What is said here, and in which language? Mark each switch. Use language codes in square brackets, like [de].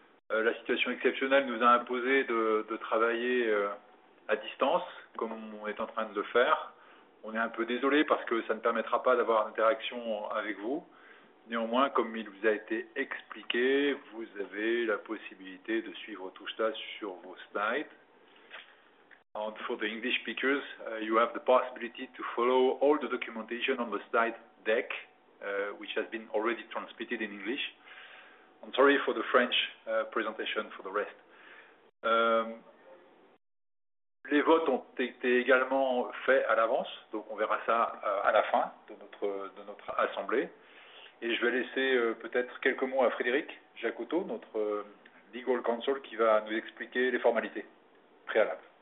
[fr] La situation exceptionnelle nous a imposé de travailler à distance, comme on est en train de le faire. On est un peu désolé parce que ça ne permettra pas d'avoir une interaction avec vous. Néanmoins, comme il vous a été expliqué, vous avez la possibilité de suivre tout ça sur vos slides. [en] And for the English speakers, you have the possibility to follow all the documentation on the slide deck, which has been already transmitted in English. I'm sorry for the French presentation for the rest. [fr] Les votes ont été également faits à l'avance, donc on verra ça à la fin de notre assemblée. Et je vais laisser peut-être quelques mots à Frédéric Jacotot, notre legal counsel, qui va nous expliquer les formalités préalables.